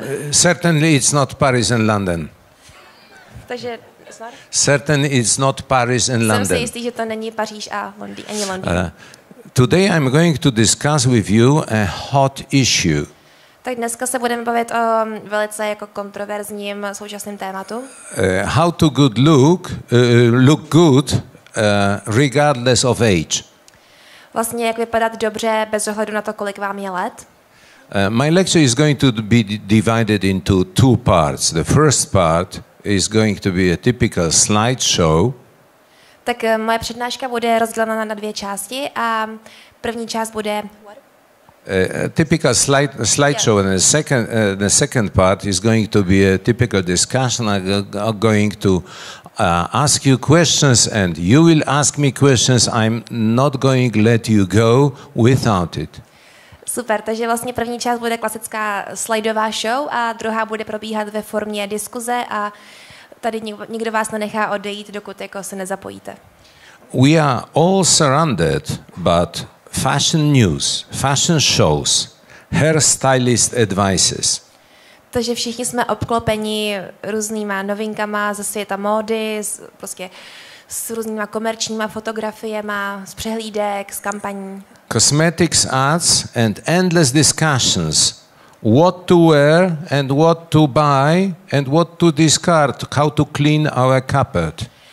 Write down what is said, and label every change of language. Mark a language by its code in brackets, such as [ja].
[en] certainly it's not Paris and London. [cs] Takže, [en] certainly it's not Paris and London. [cs] Jsem si jistý, že to není Paříž a Londý, ani Londýn. [en] Today I'm going to discuss with you a hot issue. [cs] Tak dneska se budeme bavit o velice jako kontroverzním současném tématu. [en] How to good look look good regardless of age. [cs] Vlastně jak vypadat dobře bez ohledu na to, kolik vám je let. [en] My lecture is going to be divided into two parts. The first part is going to be a typical slideshow. [cs] Tak moje přednáška bude rozdělena na dvě části a první část bude [en] Typical slideshow, and the second part is going to be a typical discussion. I'm going to ask you questions, and you will ask me questions. I'm not going to let you go without it. [cs] Super, takže vlastně první část bude klasická slideová show a druhá bude probíhat ve formě diskuze a tady nikdo vás nenechá odejít, dokud jako se nezapojíte. [en] We are all surrounded, but fashion news, fashion shows, hairstylist advices. [cs] Takže všichni jsme obklopeni různýma novinkama ze světa módy, prostě s různýma komerčníma fotografiema, z přehlídek, z kampaní. [en] Cosmetics ads and endless discussions. What to wear and what to buy and what to discard, how to clean our cupboard.